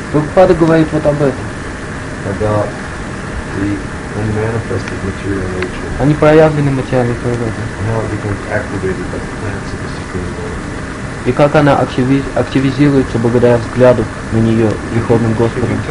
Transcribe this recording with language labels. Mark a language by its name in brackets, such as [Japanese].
[Russian] Прабхупада говорит вот об этом. [English] About the unmanifested material nature. [Russian] О непроявленной материальной природе. [English] How it becomes activated by the plants of the Supreme Lord. [Russian] И как она активизируется благодаря взгляду на нее Верховным Господом.